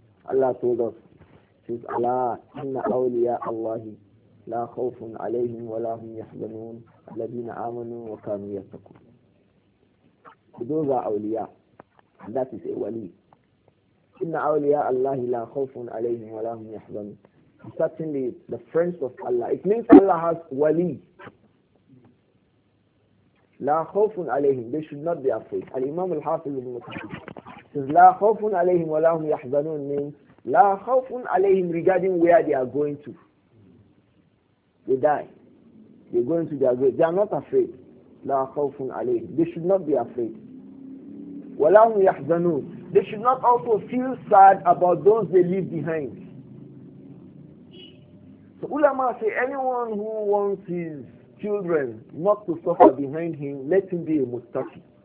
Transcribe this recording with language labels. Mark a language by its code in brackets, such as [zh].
[en] Allah told us, says Allah, [ar] inna awliya Allahi لا خوف عليهم ولا هم يحزنون الذين آمنوا وكانوا يتقون. [en] Those are awliya. That is a wali. [ar] إن أولياء الله لا خوف عليهم ولا هم يحزنون. [en] Certainly the friends of Allah. It means Allah has wali. [ar] لا خوف عليهم. [en] They should not be afraid. [ar] الإمام الحافظ ابن كثير [en] says [ar] لا خوف عليهم ولا هم يحزنون [en] means [ar] لا خوف عليهم [en] regarding where they are going to. They die. They go into their grave. They are not afraid. [ar] لا خوف عليهم. [en] They should not be afraid. [ar] ولا هم يحزنون. [en] They should not also feel sad about those they leave behind. So ulama say, anyone who wants his children not to suffer behind him, let him be a mustaqi.